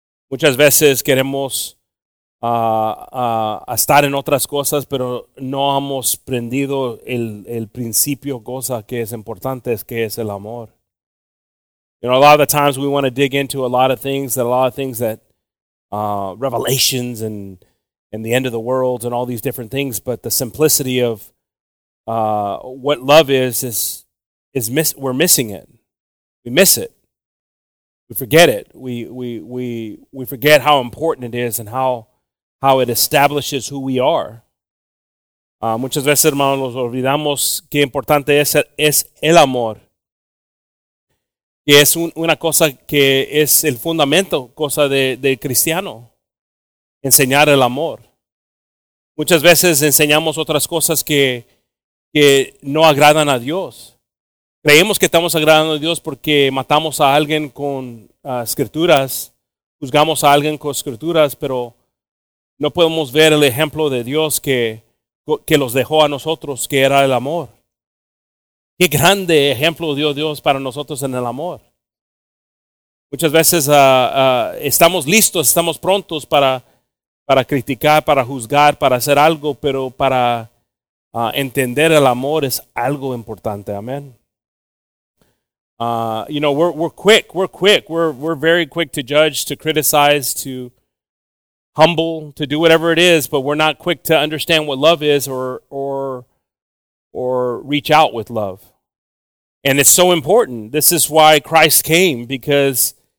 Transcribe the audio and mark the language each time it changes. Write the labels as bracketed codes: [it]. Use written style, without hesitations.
[es] Muchas veces queremos estar en otras cosas, pero no hemos aprendido el principio cosa que es importante, es que es el amor. [en] You know, a lot of the times we want to dig into a lot of things that revelations and the end of the world and all these different things, but the simplicity of what love is we're missing it. We miss it. We forget it. We forget how important it is and how it establishes who we are. [es] Muchas veces, hermanos, nos olvidamos qué importante es el amor. Que es una cosa que es el fundamento, cosa de cristiano. Enseñar el amor. Muchas veces enseñamos otras cosas que no agradan a Dios. Creemos que estamos agradando a Dios porque matamos a alguien con escrituras. Juzgamos a alguien con escrituras, pero no podemos ver el ejemplo de Dios que los dejó a nosotros, que era el amor. Qué grande ejemplo dio Dios para nosotros en el amor. Muchas veces estamos listos, estamos prontos para criticar, para juzgar, para hacer algo, pero para entender el amor es algo importante. Amén. [en] You know, we're quick. We're very quick to judge, to criticize, to humble, to do whatever it is, but we're not quick to understand what love is or reach out with love. And it's so important. This is why Christ came, because